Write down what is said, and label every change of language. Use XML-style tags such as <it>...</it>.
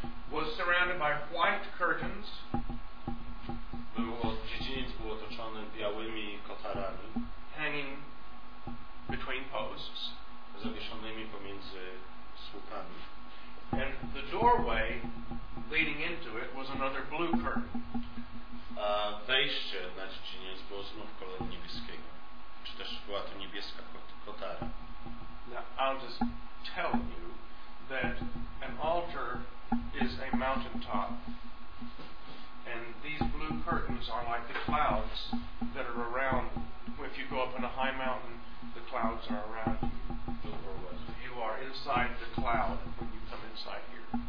<en>Was surrounded by white curtains.</en> <pl>Dziedziniec był otoczony białymi kotarami,</pl> <en>hanging between posts,</en> <pl>zawieszonymi pomiędzy słupami.</pl> <en>And the doorway leading into it was another blue curtain.</en> <pl>A wejście na dziedziniec było znów koloru niebieskiego, czy też była to niebieska kotara.</pl> <en>Now I'll just tell you that an altar is a mountaintop. And these blue curtains are like the clouds that are around. If you go up in a high mountain, the clouds are around you. You are inside the cloud when you come inside here.</en>